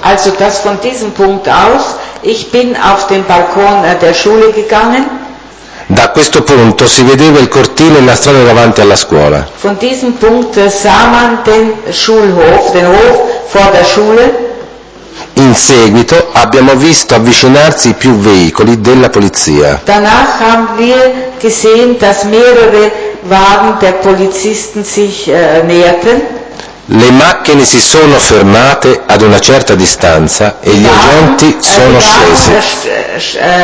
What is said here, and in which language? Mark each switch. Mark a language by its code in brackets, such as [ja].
[de] also das von diesem Punkt aus, ich bin auf den Balkon der Schule gegangen. [it] Da questo punto si vedeva il cortile e la strada davanti alla scuola. [de] Von diesem Punkt sah man den Schulhof, den Hof vor der Schule. [it] In seguito abbiamo visto avvicinarsi più veicoli della polizia. [de] Danach haben wir gesehen, dass mehrere Wagen der Polizisten sich näherten. [it] Le macchine si sono fermate ad una certa distanza e gli agenti sono scesi.